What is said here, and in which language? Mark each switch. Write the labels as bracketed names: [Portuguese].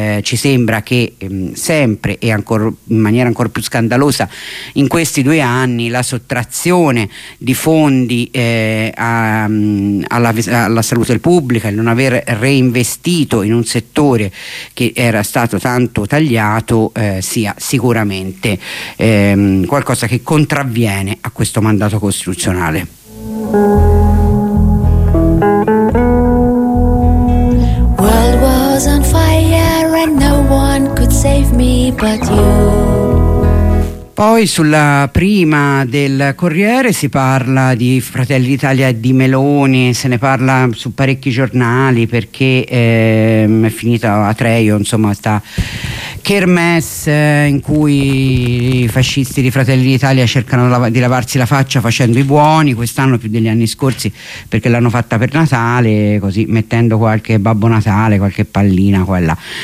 [Italian] ci sembra che sempre e ancora in maniera ancora più scandalosa in questi due anni la sottrazione di fondi alla salute pubblica, il non aver reinvestito in un settore che era stato tanto tagliato, sia sicuramente qualcosa che contravviene a questo mandato costituzionale. [English] World was on fire and no one could save me but you. [Italian] Poi sulla prima del Corriere si parla di Fratelli d'Italia e di Meloni, se ne parla su parecchi giornali, perché è finita Atreio, insomma, sta kermesse in cui i fascisti di Fratelli d'Italia cercano di lavarsi la faccia facendo i buoni, quest'anno più degli anni scorsi, perché l'hanno fatta per Natale, così mettendo qualche Babbo Natale, qualche pallina qua e là.